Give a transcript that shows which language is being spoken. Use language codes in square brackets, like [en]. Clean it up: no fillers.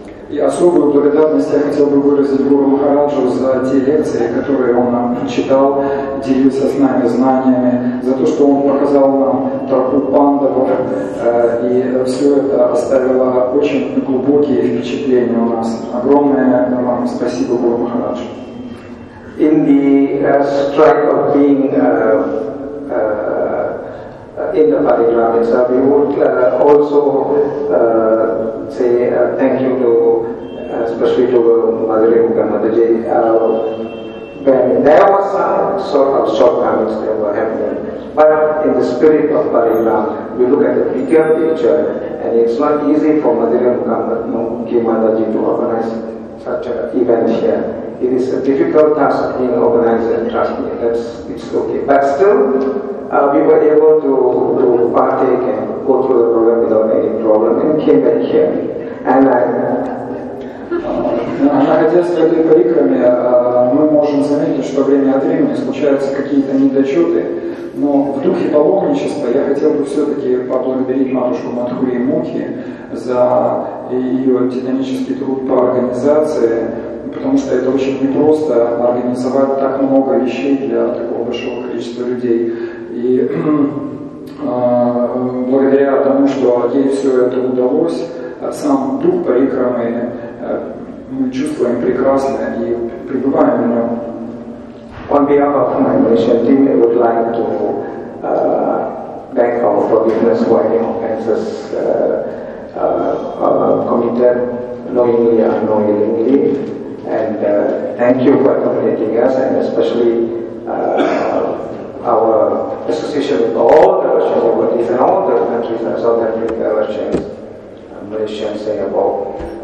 [ru] И особую благодарность я хотел бы выразить Гуру Махараджу за те лекции, которые он нам читал, делился с нами знаниями, за то, что он показал нам тропу пандавов, и все это оставило очень глубокие впечатления у нас. Огромное вам спасибо, Гуру Махарадж. [en] In the strike of being in the Parikrama itself, we would also say thank you to, especially to Madhurya Mukhamadiji. When there was some sort of shortcomings that were happening, but in the spirit of Parikrama, we look at the bigger picture, and it's not easy for Madhurya Mukhamadiji to organize such an event here. It is a difficult task being organized, and trust me, it's okay. But still, we were able to partake and go through the program without any problem and came back here. And [ru] на хотелось бы поликами мы можем заметить, что время от времени случаются какие-то недочеты, но в духе паломничества я хотел бы все-таки поблагодарить матушку Мадхури Мухи за ее титанический труд по организации, потому что это очень непросто организовать так много вещей для такого большого количества людей. И благодаря тому, что ей все это удалось, сам дух парикрамы мы чувствуем прекрасно и пребываем в нем. [en] On behalf of my Malaysian team, I would like to beg our forgiveness for any offenses committed knowingly or unknowingly. And thank you for accommodating us, and especially our association with all the Russian devotees and all the countries and South Africa, Russians, Malaysians, Singapore.